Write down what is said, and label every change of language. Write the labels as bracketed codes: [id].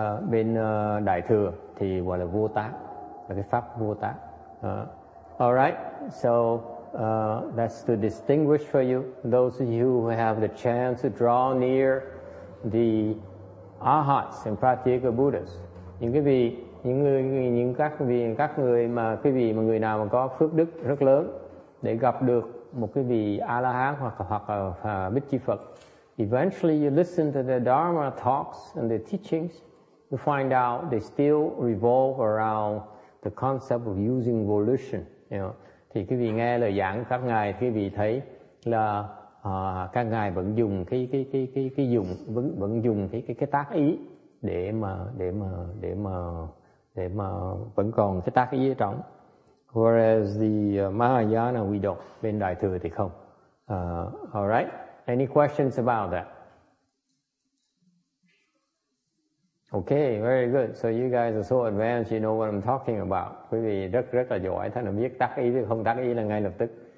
[vi] Bên Đại Thừa thì gọi là vô tác, là cái pháp vô tác. [en] All right, so that's to distinguish for you. Those of you who have the chance to draw near the Arhats and Pratyeka Buddhas, you can be [vi] những các vị mà cái vị mà người nào mà có phước đức rất lớn để gặp được một cái vị A La Hán hoặc là Bích Chi Phật. [en] Eventually you listen to the Dharma talks and the teachings, you find out they still revolve around the concept of using volition. You know? [vi] Thì cái vị nghe lời giảng các ngài, cái vị thấy là các ngài vẫn dùng cái tác ý để mà vẫn còn cái tác ý ở trong. [en] Whereas the Mahayana we don't, [vi] bên Đại Thừa thì không. [en] All right. Any questions about that? Okay, very good. So you guys are so advanced, you know what I'm talking about. [vi] Quý vị rất rất là giỏi, thành ra biết tác ý thì không tác ý là ngay lập tức.